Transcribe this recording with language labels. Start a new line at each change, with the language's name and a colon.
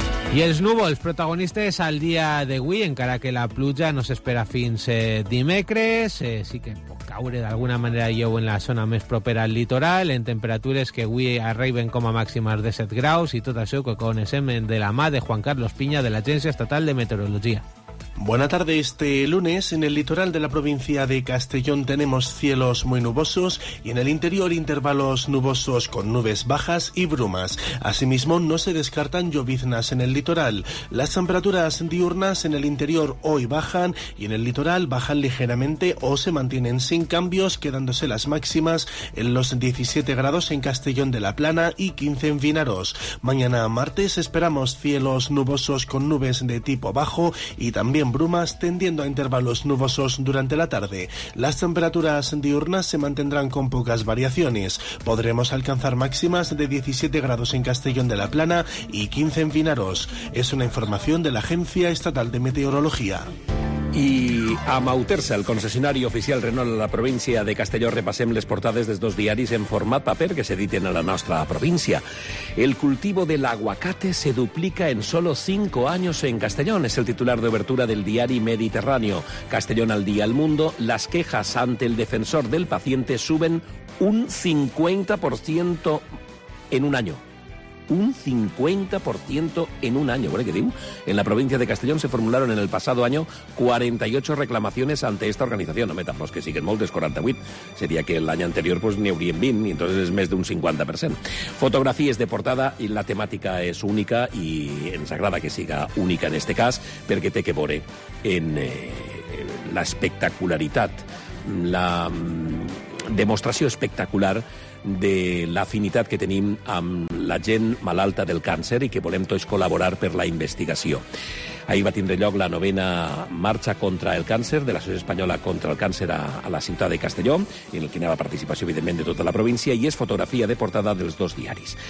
Catalan: I els núvols protagonistes al dia d'avui, encara que la pluja no s'espera fins dimecres, sí que pot caure d'alguna manera lleu en la zona més propera al litoral, en temperatures que avui arriben com a màximes de 7 graus, i tot això que coneixem de la mà de Juan Carlos Piña de l'Agència Estatal de Meteorologia.
Spanish: Buenas tardes. Este lunes en el litoral de la provincia de Castellón tenemos cielos muy nubosos y en el interior intervalos nubosos con nubes bajas y brumas. Asimismo, no se descartan lloviznas en el litoral. Las temperaturas diurnas en el interior hoy bajan y en el litoral bajan ligeramente o se mantienen sin cambios, quedándose las máximas en los 17 grados en Castellón de la Plana y 15 en Vinaroz. Mañana martes esperamos cielos nubosos con nubes de tipo bajo y también en brumas, tendiendo a intervalos nubosos durante la tarde. Las temperaturas diurnas se mantendrán con pocas variaciones. Podremos alcanzar máximas de 17 grados en Castellón de la Plana y 15 en Vinaroz. Es una información de la Agencia Estatal de Meteorología.
Catalan: I amb Autersa, el concessionari oficial Renault a la província de Castelló, repassem les portades dels dos diaris en format paper que s'editen a la nostra província.
Spanish: El cultivo del aguacate se duplica en solo 5 años en Castellón.
Catalan: És el titular d'obertura del diari Mediterráneo.
Spanish: Castellón al día, al mundo. Las quejas ante el defensor del paciente suben un 50% en un año. Un 50% en un año. ¿Vale qué digo? En la provincia de Castellón se formularon en el pasado año 48 reclamaciones ante esta organización. No metamos que siguen moldes, 48. Sería que el año anterior pues ni habría en 20, y entonces es más de un 50%. Fotografías de portada y la temática es única y
Catalan: ens agrada que siga única
Spanish: en este caso,
Catalan: porque té que veure en la espectacularitat, la demostració espectacular de l'afinitat que tenim amb la gent malalta del càncer i que volem tots col·laborar per la investigació. Ahir va tindre lloc la novena marxa contra el càncer de l'Associació Espanyola contra el Càncer a la ciutat de Castelló, en el que hi ha la participació, evidentment, de tota la província, i és fotografia de portada dels dos diaris.